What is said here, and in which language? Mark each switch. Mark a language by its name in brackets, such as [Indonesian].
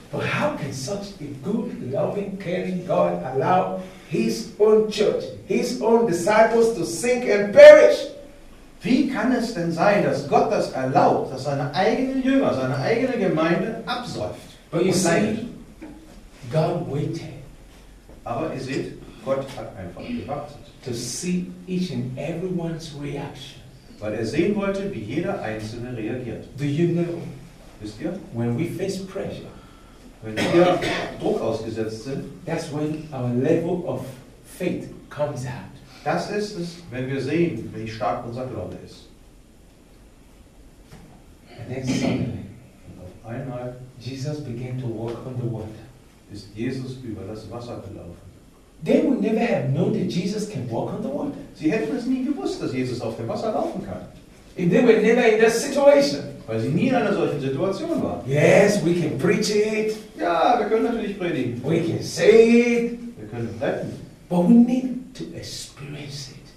[English] But how can such a good, loving, caring God allow His own church, His own disciples to sink and perish? [German] Wie kann es denn sein, dass Gott das erlaubt, dass seine eigenen Jünger, seine eigene Gemeinde absäuft? [English] But you see, God waited. [German] Aber ihr seht, Gott hat einfach gewartet. [English] To see each and everyone's reaction. [German] Weil er sehen wollte, wie jeder Einzelne reagiert. [English] Do you know? [German] Wisst ihr? [English] When we face pressure. [German] Wenn wir Druck ausgesetzt sind, [English] that's when our level of faith comes out. [German] Das ist es, wenn wir sehen, wie stark unser Glaube ist. [English] And then suddenly, [German] und auf einmal, [English] Jesus began to walk on the water. [German] Ist Jesus über das Wasser gelaufen. [English] They would never have known that Jesus can walk on the water. [German] Sie hätten es nie gewusst, dass Jesus auf dem Wasser laufen kann. [English] If they were never in that situation. [German] Weil sie nie in einer solchen Situation war. [English] Yes, we can preach it. [German] Ja, wir können natürlich predigen. [English] We can say it. [German] Wir können retten. [English] But we need to experience it.